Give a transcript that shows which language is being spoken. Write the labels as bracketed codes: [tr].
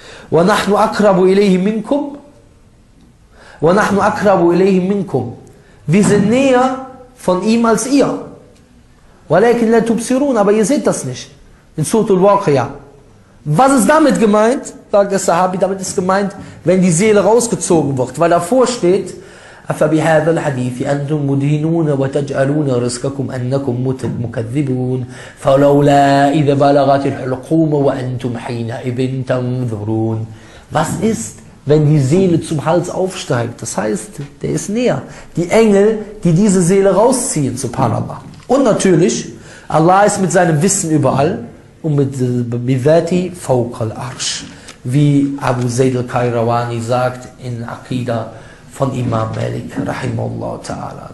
[ar] وَنَحْنُ أَقْرَبُ إِلَيْهِ مِنْكُمْ وَنَحْنُ أَقْرَبُ إِلَيْهِ مِنْكُمْ. [de] Wir sind näher von ihm als ihr. [ar] وَلَكِنْ لَا تُبْصِرُونَ. [de] Aber ihr seht das nicht. In Surah Al-Waqiyah. Was ist damit gemeint? Sagt der Sahabi, damit ist gemeint, wenn die Seele rausgezogen wird. Weil davor steht, [ar] أفبهذا الحديث أنتم مدهنون وتجعلون رزقكم أنكم مكذبون فلولا إذا بلغت الحلقوم وأنتم حينئذ تنظرون. [de] Was ist, wenn die Seele zum Hals aufsteigt? Das heißt, der ist näher. Die Engel, die diese Seele rausziehen, subhanallah. Und natürlich, Allah ist mit seinem Wissen überall und mit Bidati Fawqal Arsch. Wie Abu Zayd al-Kairawani sagt in Aqidah von Imam Malik, rahimahullah ta'ala.